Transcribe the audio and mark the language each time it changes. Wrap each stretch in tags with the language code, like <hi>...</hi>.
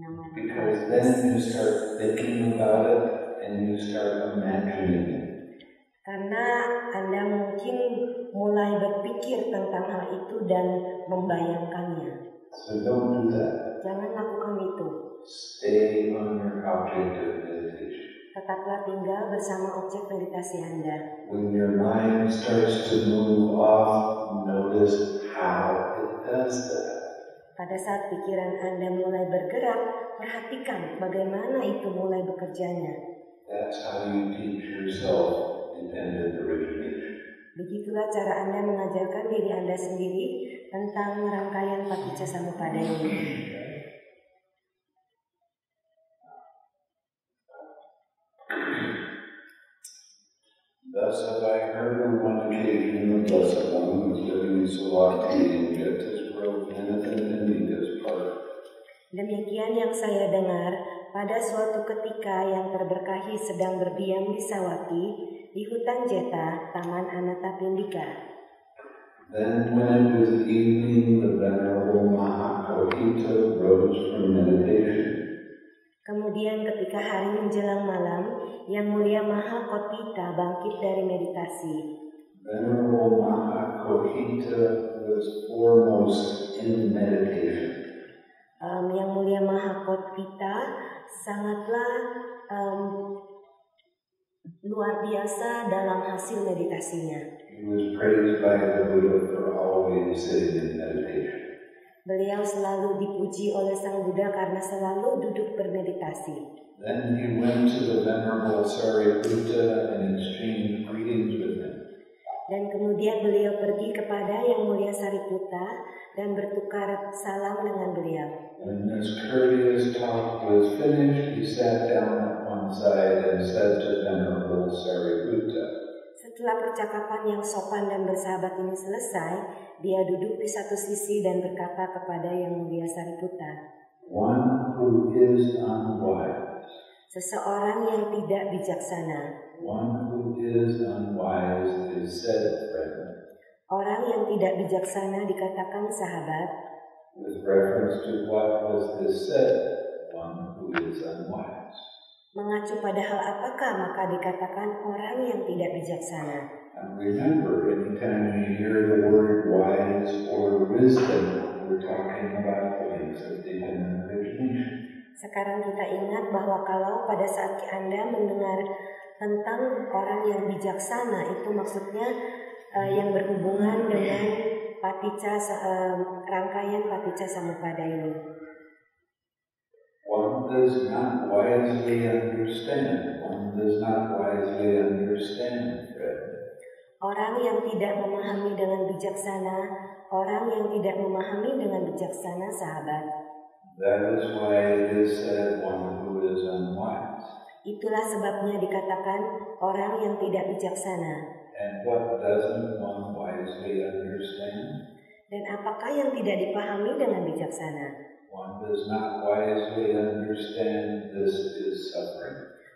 <en>Because then you start thinking about it and you start imagining it.</en> <id>Karena Anda mungkin mulai berpikir tentang hal itu dan membayangkannya.</id> <en>So don't do that.</en> <id>Jangan lakukan itu.</id> <en>Stay on your object of meditation.</en> <id>Tetaplah tinggal bersama objek meditasi Anda.</id> <en>When your mind starts to move off, notice how it does that.</en> <id>Pada saat pikiran Anda mulai bergerak, perhatikan bagaimana itu mulai bekerjanya.</id> <en>That's how you teach yourself dependent origination.</en> <id>Begitulah cara Anda mengajarkan diri Anda sendiri tentang rangkaian paticca samuppada ini.</id> <en>Thus have I heard on one occasion the Blessed One who is living in Sulawesi in Jetis World, Manathan, and India's part.</en> <id>Demikian yang saya dengar, pada suatu ketika yang terberkahi sedang berdiam di Sawati, di hutan Jeta, Taman Anathapindika.</id> <en>Then when it was evening, the Venerable Mahāvedalla rose from meditation.</en> <id>Kemudian ketika hari menjelang malam, Yang Mulia Mahāvedalla bangkit dari meditasi.</id> <en>Venerable Mahāvedalla was foremost in meditation.</en> <id>Yang Mulia Mahāvedalla sangatlah luar biasa dalam hasil meditasinya.</id> <en>He was praised by the Buddha for always sitting in meditation.</en> <id>Beliau selalu dipuji oleh Sang Buddha karena selalu duduk bermeditasi.</id> <en>Then he went to the Venerable Sariputta and exchanged greetings with him.</en> <id>Dan kemudian beliau pergi kepada Yang Mulia Sariputta dan bertukar salam dengan beliau.</id> <en>When this courteous talk was finished, he sat down at one side and said to Venerable Sariputta.</en> <id>Setelah percakapan yang sopan dan bersahabat ini selesai, dia duduk di satu sisi dan berkata kepada Yang Mulia Sariputta.</id> <en>One who is unwise.</en> <id>Seseorang yang tidak bijaksana.</id> <en>One who is unwise is said, friend.</en> <id>Orang yang tidak bijaksana dikatakan sahabat.</id> <en>With reference to what was this said, one who is unwise.</en> <id>Mengacu pada hal apakah maka dikatakan orang yang tidak bijaksana.</id> <en>And remember, anytime you hear the word wise or wisdom, we're talking about things that they have in their nature.</en> <id>Sekarang kita ingat bahwa kalau pada saat Anda mendengar tentang orang yang bijaksana, itu maksudnya yang berhubungan dengan paticca, rangkaian paticca samuppada ini.</id> <en>One does not wisely understand. One does not wisely understand,</en> <id>Orang yang tidak memahami dengan bijaksana, orang yang tidak memahami dengan bijaksana, sahabat.</id> <en>That is why it is said one who is unwise.</en> <id>Itulah sebabnya dikatakan orang yang tidak bijaksana.</id> <en>And what doesn't one wisely understand?</en> <id>Dan apakah yang tidak dipahami dengan bijaksana?</id> <en>One does not wisely understand this is suffering.</en>